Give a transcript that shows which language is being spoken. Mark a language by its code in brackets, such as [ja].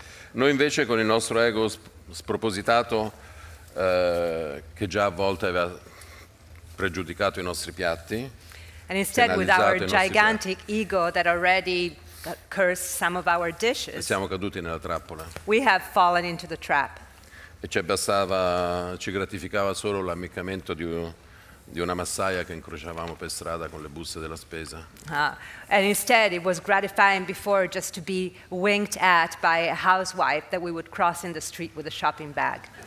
[it] Noi invece con il nostro ego spropositato che già a volte aveva pregiudicato i nostri piatti. [en] And instead with our gigantic ego that already cursed some of our dishes. [it] E siamo caduti nella trappola. [en] We have fallen into the trap. [it] E ci gratificava solo l'ammiccamento di una massaia che incrociavamo per strada con le buste della spesa. [en] And instead it was gratifying before just to be winked at by a housewife that we would cross in the street with a shopping bag.